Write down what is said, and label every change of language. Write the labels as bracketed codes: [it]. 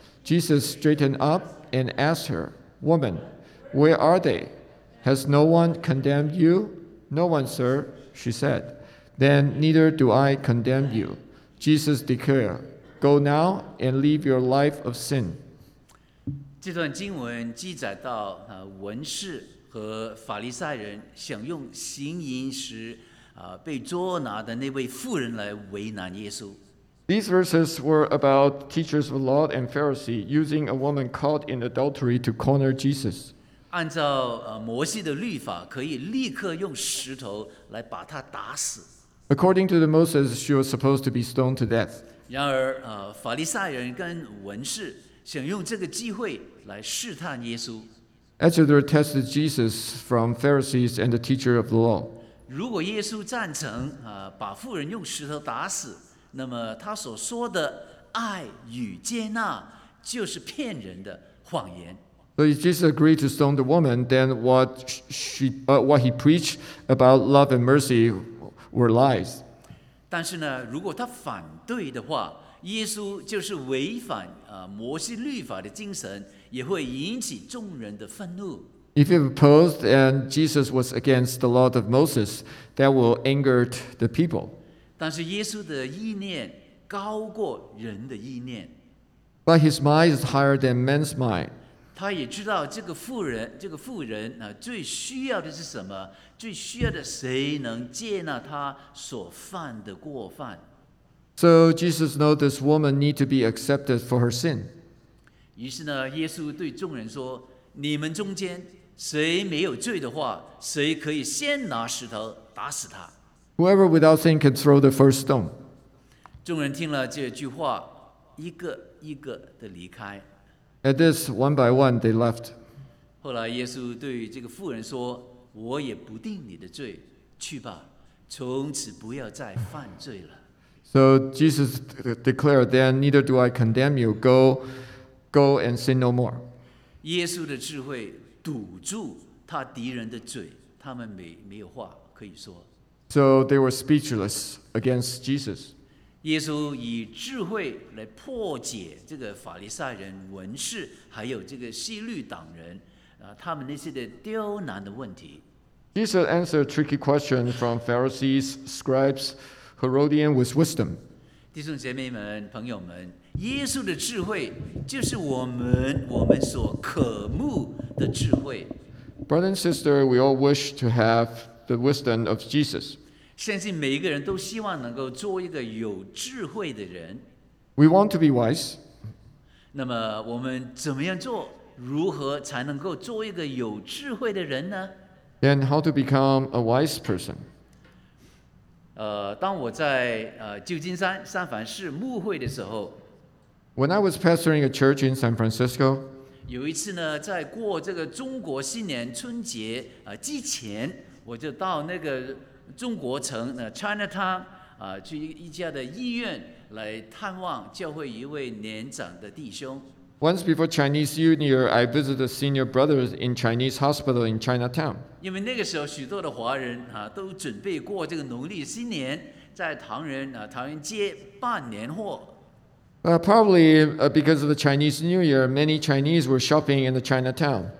[en] Jesus straightened up and asked her, "Woman, where are they? Has no one condemned you?" "No one, sir," she said. "Then neither do I condemn you." Jesus declared, "Go now and leave your life of sin." [zh] 这段经文记载到文士和法利赛人想用行淫时被捉拿的那位妇人来为难耶稣。 [en] These verses were about teachers of law and Pharisees using a woman caught in adultery to corner Jesus. [zh] 按照摩西的律法，可以立刻用石头来把她打死。 [en] According to the Moses, she was supposed to be stoned to death. [zh] 然而，法利赛人跟文士想用这个机会来试探耶稣。 [en] Actually, they tested Jesus from Pharisees and the teacher of the law. [zh] 如果耶稣赞成把妇人用石头打死，那么他所说的爱与接纳就是骗人的谎言。 [en] So if Jesus agreed to stone the woman, then what he preached about love and mercy were lies. [zh] 但是呢，如果他反对的话，耶稣就是违反摩西律法的精神，也会引起众人的愤怒。 [en] If he opposed and Jesus was against the law of Moses, that will anger the people. [zh] 但是耶稣的意念高过人的意念。 [en] But his mind is higher than man's mind. [zh] 他也知道这个妇人最需要的是什么，最需要的谁能接纳他所犯的过犯。 [en] So Jesus knows this woman needs to be accepted for her sin. [zh] 于是呢，耶稣对众人说，你们中间谁没有罪的话，谁可以先拿石头打死他。 [en] Whoever without sin can throw the first stone. [zh] 众人听了这句话，一个一个的离开。 [en] At this, one by one, they left. [zh] 后来耶稣对这个妇人说，我也不定你的罪，去吧，从此不要再犯罪了。 [en] So Jesus declared then, neither do I condemn you, go and sin no more. [zh] 耶稣的智慧堵住他敌人的嘴，他们没有话可以说。 [en] So they were speechless against Jesus. [zh] 耶稣以智慧来破解这个法利赛人、文士，还有这个西律党人，他们那些的刁难的问题。 [en] Jesus answered a tricky question from Pharisees, scribes, Herodians with wisdom. [zh] 弟兄姐妹们，朋友们，耶稣的智慧就是我们所渴慕的智慧。 [en] Brother and sister, we all wish to have the wisdom of Jesus. [zh] 相信每一个人都希望能够做一个有智慧的人。 [en] We want to be wise. [zh] 那么我们怎么样做？如何才能够做一个有智慧的人呢？ [en] Then how to become a wise person? [zh] 当我在旧金山三藩市牧会的时候 [en] ，When I was pastoring a church in San Francisco， [zh] 有一次呢，在过这个中国新年春节之前，我就到那个中国城Chinatown 去一家的医院来探望教会一位年长的弟兄。 [en] Once before Chinese New Year, I visited a senior brother in Chinese hospital in Chinatown. [zh] 因为那个时候许多的华人都准备过这个农历新年，在唐人街办年货。 [en] Probably because of the Chinese New Year, many Chinese were shopping in the Chinatown.